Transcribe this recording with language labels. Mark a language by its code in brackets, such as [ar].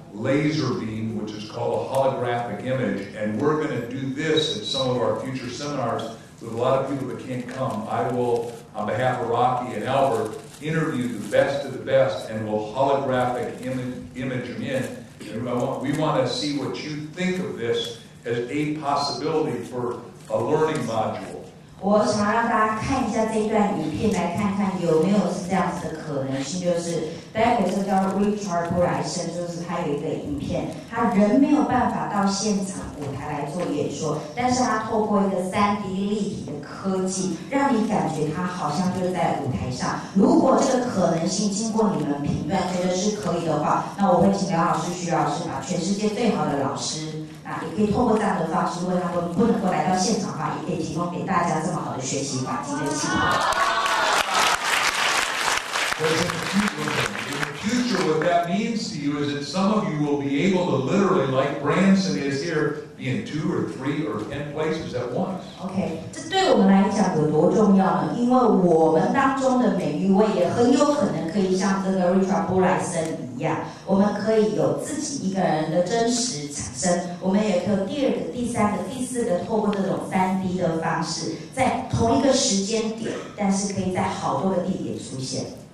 [en] Laser beam, which is called a holographic image, and we're going to do this at some of our future seminars with a lot of people that can't come. I will, on behalf of Rocky and Albert, interview the best of the best, and we'll holographic image them in. And we want to see what you think of this as a possibility for a learning module. [zh] 我想让大家看一下这段影片，来看看有没有是这样子的可能性。就是待会这叫 Richard Branson， 就是他有一个影片，他人没有办法到现场舞台来做演说，但是他透过一个 3D 立体的科技，让你感觉他好像就是在舞台上。如果这个可能性经过你们评断觉得是可以的话，那我会请刘老师、徐老师把全世界最好的老师。也可以透过这样的方式，如果他们不能够来到现场的话，也可以提供给大家这么好的学习环境的机会。 [en] Future, what that means to you is that some of you will be able to literally, like Branson is here, be in 2 or 3 or 10 places at once. [zh] Okay, 这对我们来讲有多重要呢？因为我们当中的每一位也很有可能可以像这个 Richard Branson 一样，我们可以有自己一个人的真实产生，我们也可以第二个、第三个、第四个，透过这种 3D 的方式，在同一个时间点，但是可以在好多个地点出现。